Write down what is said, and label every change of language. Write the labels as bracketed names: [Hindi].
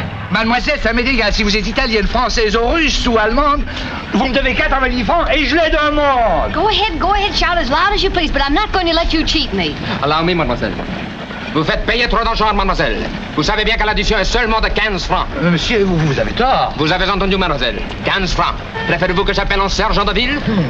[French] Mademoiselle, ça m'est égal. Si vous êtes italienne, française, ou russe ou allemande, vous me devez 90 francs et je les demande. [English] Go ahead, shout as loud as you please, but I'm not going to let you cheat me. Allow me, [French] mademoiselle. Vous faites payer trop d'argent, mademoiselle. Vous savez bien que l'addition est seulement de 15 francs. Monsieur, vous avez tort. Vous avez entendu, mademoiselle. 15 francs. Préférez-vous que j'appelle un sergent de ville?